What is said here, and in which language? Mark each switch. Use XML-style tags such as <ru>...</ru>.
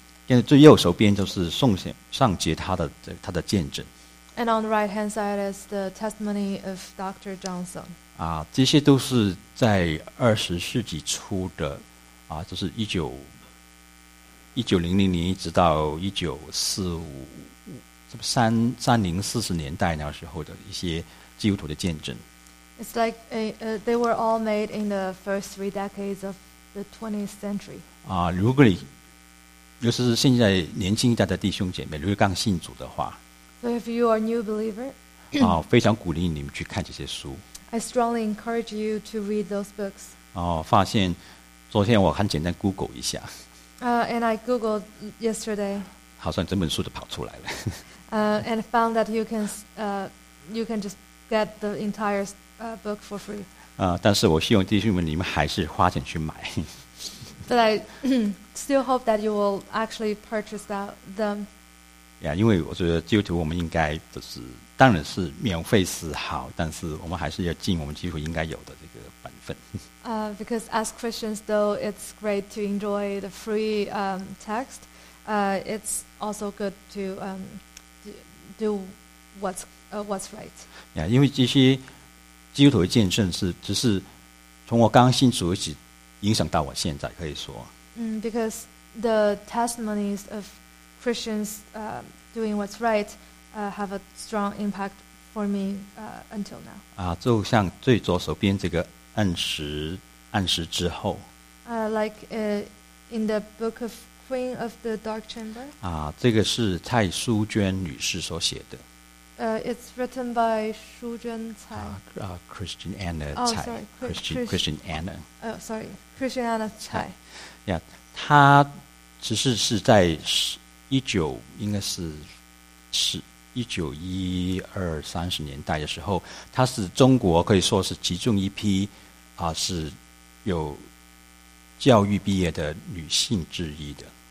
<zh>现在最右手边就是送献上节他的这他的见证。</zh> <en>And on the right hand side is the testimony of Dr. Johnson.</en> <zh>啊，这些都是在二十世纪初的，啊，就是一九零零年一直到1945、1930、1940年代那时候的一些基督徒的见证。</zh> <en>It's like they were all made in the first three decades of the 20th century.</en> <zh>啊，如果你尤其是现在年轻一代的弟兄姐妹，如果刚信主的话</zh> <en>，So if you are new believer,</en> <zh>啊，非常鼓励你们去看这些书。</zh> <en>I strongly encourage you to read those books.</en> <zh>哦，发现昨天我很简单 Google 一下。</zh> <en>And I Googled yesterday.</en> <zh>好像整本书都跑出来了。</zh> <en>And found that you can just get the entire book for free.</en> <zh>但是我希望弟兄们，你们还是花钱去买。</zh> <en>But I still hope that you will actually purchase that, them.</en> <zh>Yeah, 因为我觉得基督徒我们应该就是当然是免费是好，但是我们还是要尽我们基督徒应该有的这个本分。</zh> <en>Because as Christians, though it's great to enjoy the free text, it's also good to do what's right.</en> <zh>Yeah, 因为这些基督徒的见证是只是从我刚信主起。影响到我现在，可以说。</zh> <en>Because the testimonies of Christians doing what's right have a strong impact for me until now.</en> <zh>啊，就像最左手边这个按时之后。</zh> <en>Like in the book of Queen of the Dark Chamber.</en> <zh>啊，这个是蔡淑娟女士所写的。</zh> <en>It's written by 淑娟蔡。 Christian Anna 蔡。 Oh, sorry, Christian Anna. Oh, sorry. Christiana Tsai.</en> <zh>Yeah, 他其实是在一九应该是1920、1930年代的时候，他是中国可以说是其中一批啊是有教育毕业的女性之一的。</zh>